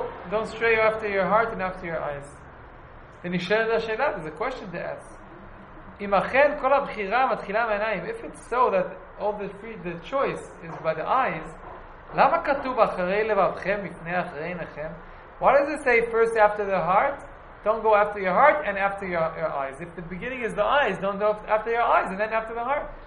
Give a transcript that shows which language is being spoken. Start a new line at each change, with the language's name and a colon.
English: Don't stray after your heart and after your eyes.
Hebrew: ונשאל את השאלה,
English: there's a question to ask.
Hebrew: אם אכן כל הבחירה מתחילה מהעיניים,
English: if it's so that all the choice is by the eyes,
Hebrew: למה כתוב אחרי לבבכם לפני אחרי עיניכם?
English: Why does it say first after the heart? Don't go after your heart and after your eyes. If the beginning is the eyes, don't go after your eyes and then after the heart.